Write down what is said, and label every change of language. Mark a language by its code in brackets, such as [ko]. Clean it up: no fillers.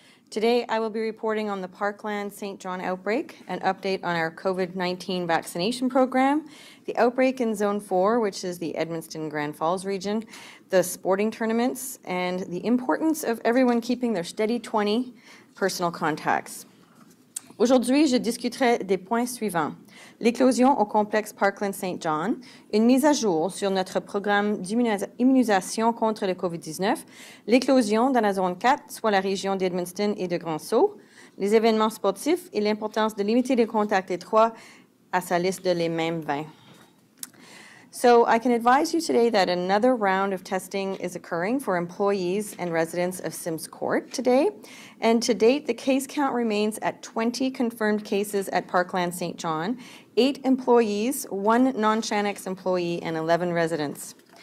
[en] Today, I will be reporting on the Parkland St. John outbreak, an update on our COVID-19 vaccination program, the outbreak in Zone 4, which is the Edmundston-Grand Falls region, the sporting tournaments, and the importance of everyone keeping their steady 20 personal contacts. [fr] Aujourd'hui, je discuterai des points suivants. L'éclosion au complexe Parkland-Saint-John, une mise à jour sur notre programme d'immunisation contre le COVID-19, l'éclosion dans la zone 4, soit la région d'Edmundston et de Grand Sault, les événements sportifs et l'importance de limiter les contacts étroits à sa liste de les mêmes 20. [en] So I can advise you today that another round of testing is occurring for employees and residents of Sims Court today. And to date, the case count remains at 20 confirmed cases at Parkland St. John, 8 employees, 1 non-Shanex employee, and 11 residents.